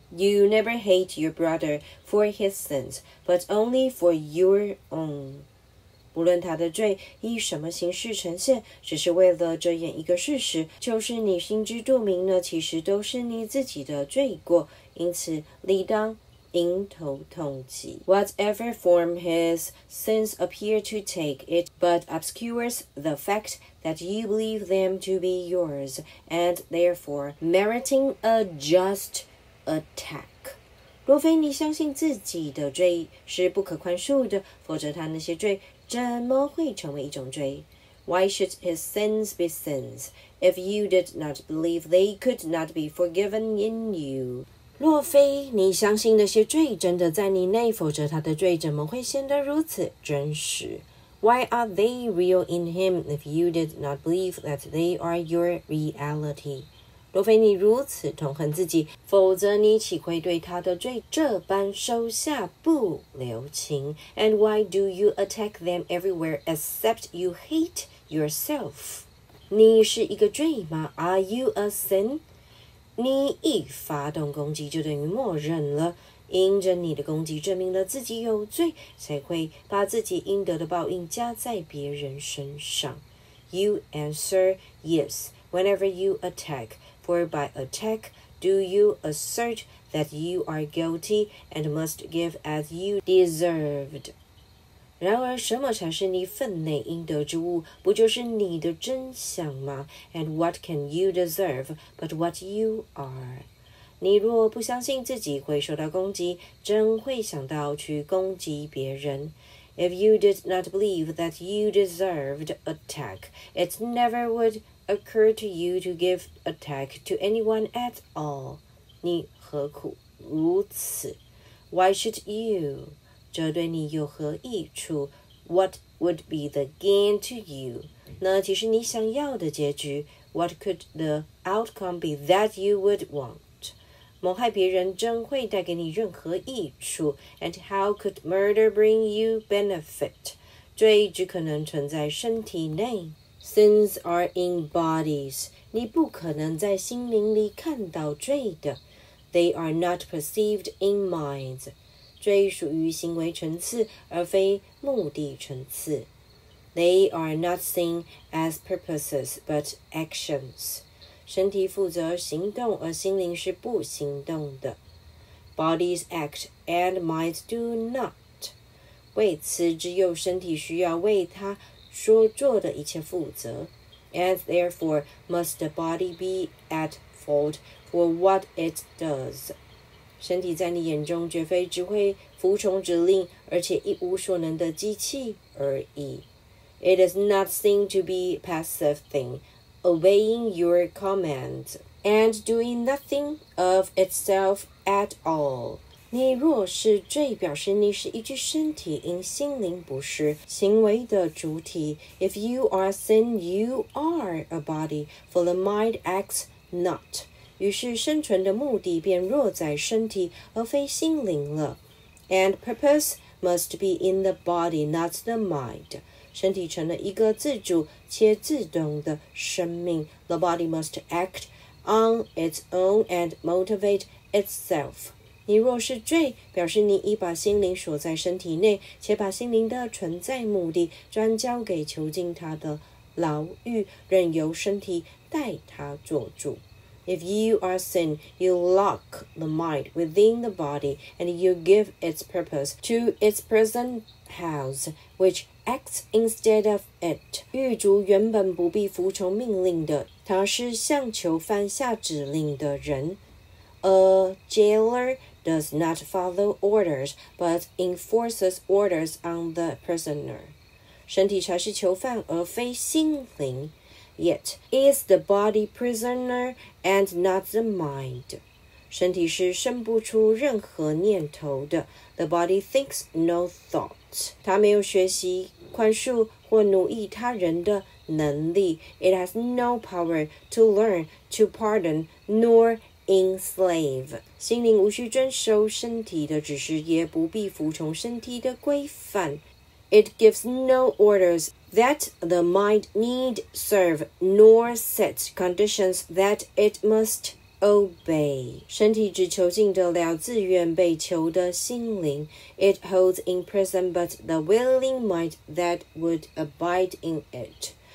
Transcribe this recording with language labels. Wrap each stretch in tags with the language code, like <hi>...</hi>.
<en>You never hate your brother for his sins, but only for your own.</en> <zh>不论他的罪以什么形式呈现，只是为了遮掩一个事实，就是你心知肚明的，其实都是你自己的罪过，因此理当迎头痛击。</zh> <en>Whatever form his sins appear to take, it but obscures the fact that you believe them to be yours, and therefore meriting a just attack.</en> <zh>若非你相信自己的罪是不可宽恕的，否则他那些罪怎么会成为一种罪？</zh> <en>Why should his sins be sins if you did not believe they could not be forgiven in you?</en> <zh>若非你相信那些罪真的在你内，否则他的罪怎么会显得如此真实？</zh> <en>Why are they real in him if you did not believe that they are your reality?</en> <zh>若非你如此痛恨自己，否则你岂会对他的罪这般收下不留情？</zh> <en>And why do you attack them everywhere except you hate yourself?</en> <zh>你是一个罪吗？</zh> <en>Are you a sin?</en> <zh>你一发动攻击就等于默认了，因着你的攻击证明了自己有罪，才会把自己应得的报应加在别人身上。</zh> <en>You answer yes whenever you attack, for by attack do you assert that you are guilty and must give as you deserved.</en> <zh>然而什么才是你分内应得之物，不就是你的真相吗？</zh> <en>And what can you deserve but what you are?</en> <zh>你若不相信自己会受到攻击，真会想到去攻击别人。</zh> <en>If you did not believe that you deserved attack, it never would occur to you to give attack to anyone at all.</en> <zh>你何苦如此？</zh> <en>Why should you?</en> <zh>这对你有何益处？</zh> <en>What would be the gain to you?</en> <zh>那其实你想要的结局？</zh> <en>What could the outcome be that you would want?</en> <zh>谋害别人真会带给你任何益处 ？</zh> <en>And how could murder bring you benefit？</en> <zh>罪只可能存在身体内。</zh> <en>Sins are in bodies。</en> <zh>你不可能在心灵里看到罪的。</zh> <en>They are not perceived in minds。</en> <zh>罪属于行为层次，而非目的层次。</zh> <en>They are not seen as purposes, but actions.</en> <zh>身体负责行动，而心灵是不行动的。</zh> <en>Bodies act and minds do not.</en> <zh>为此，只有身体需要为他所做的一切负责。</zh> <en>And therefore, must the body be at fault for what it does?</en> <zh>身体在你眼中绝非只会服从指令，而且一无所能的机器而已。</zh> <en>It is not seen to be a passive thing, obeying your commands, and doing nothing of itself at all.</en> <zh>你若是罪，表示你是一具身体，因心灵不是行为的主体。</zh> <en>If you are sin, you are a body, for the mind acts not.</en> <zh>于是生存的目的便若在身体，而非心灵了。</zh> <en>And purpose must be in the body, not the mind.</en> <zh>身体成了一个自主且自动的生命。</zh> <en>The body must act on its own and motivate itself.</en> <zh>你若是罪，表示你已把心灵锁在身体内，且把心灵的存在目的转交给囚禁它的牢狱，任由身体代它做主。</zh> <en>If you are sin, you lock the mind within the body, and you give its purpose to its prison house, which acts instead of it.</en> <zh>狱卒原本不必服从命令的，他是向囚犯下指令的人。</zh> <en>A jailer does not follow orders, but enforces orders on the prisoner.</en> <zh>身体才是囚犯，而非心灵。</zh> <en>Yet is the body prisoner and not the mind.</en> <zh>身体是生不出任何念头的。</zh> <en>The body thinks no thoughts.</en> <zh>它没有学习宽恕或奴役他人的能力。</zh> <en>It has no power to learn, to pardon, nor enslave.</en> <zh>心灵无需遵守身体的指示，也不必服从身体的规范。</zh> <en>It gives no orders that the mind need serve, nor sets conditions that it must obey.</en> <zh>身体只囚禁得了自愿被囚的心灵。</zh> <en>It holds in prison but the willing mind that would abide in it.</en>